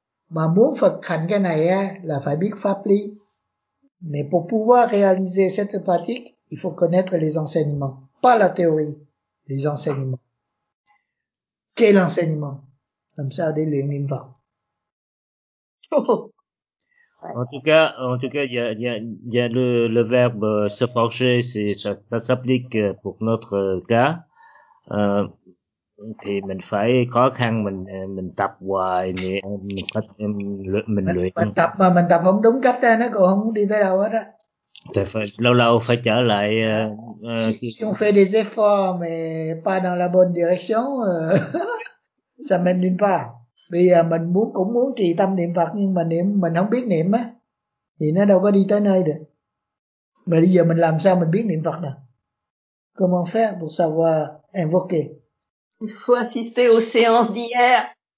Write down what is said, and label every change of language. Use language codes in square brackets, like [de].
[vi] Mà muốn thực hành cái này là phải biết pháp lý. [fr] Mais pour pouvoir réaliser cette pratique, il faut connaître les enseignements, pas la théorie, les enseignements. Quel enseignement? Comme ça, des liens niệm Phật. En tout cas, il y a le verbe se forger, c'est ça s'applique pour notre cas. [vi] Thì mình phải khó khăn mình tập hoài thì mình luyện tập mà mình tập không đúng cách ra nó cũng không đi tới đâu hết á. Thì phải lâu lâu phải trở lại. [fr] Si on fait des efforts mais pas dans la bonne direction, ça mène nulle part. [vi] Bây giờ mình cũng muốn trì tâm niệm Phật nhưng mà mình không biết niệm á thì nó đâu có đi tới nơi được. Mà bây giờ mình làm sao mình biết niệm Phật nè? [fr] Comment faire pour savoir invoquer? Il faut assister aux séances d'hier.